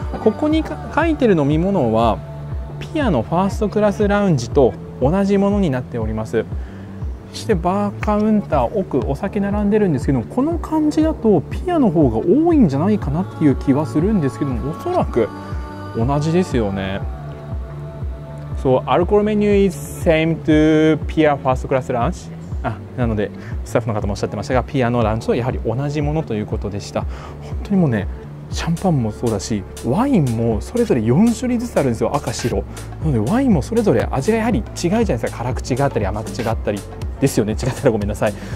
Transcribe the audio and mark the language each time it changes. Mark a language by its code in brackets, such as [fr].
[ja] ここに書いてる飲み物はピアノファーストクラスラウンジと同じものになっております。そしてバーカウンター奥お酒並んでるんですけど、この感じだとピアの方が多いんじゃないかなっていう気はするんですけども、おそらく同じですよね。 [en] So, alcohol menu is same to Pia first class lunch. [ja] なのでスタッフの方もおっしゃってましたが、ピアのランチとやはり同じものということでした。本当にもうね、シャンパンもそうだし、ワインもそれぞれ4種類ずつあるんですよ、赤白。なのでワインもそれぞれ味がやはり違うじゃないですか。辛口があったり甘口があったりですよね。違ったらごめんなさい。